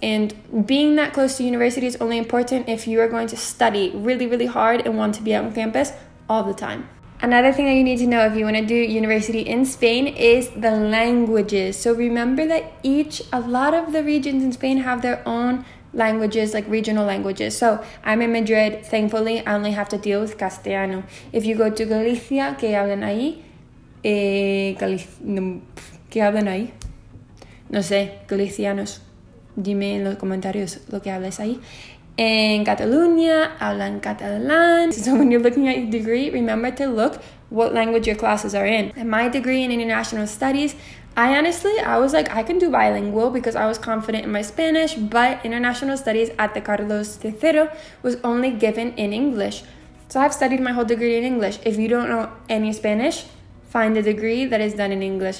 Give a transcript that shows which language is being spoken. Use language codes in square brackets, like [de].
[en] And being that close to university is only important if you are going to study really, really hard and want to be out on campus all the time. Another thing that you need to know if you want to do university in Spain is the languages. So remember that a lot of the regions in Spain have their own languages, like regional languages. So I'm in Madrid, thankfully, I only have to deal with Castellano. If you go to Galicia, [es] que hablan ahí, que hablan ahí, no sé, galicianos, dime en los comentarios lo que hablas ahí. [en] In Catalonia, [es] hablan catalán. [en] So when you're looking at your degree, remember to look what language your classes are in. And my degree in international studies, I was like, I can do bilingual because I was confident in my Spanish, but international studies at the Carlos III was only given in English. So I've studied my whole degree in English. If you don't know any Spanish, find a degree that is done in English.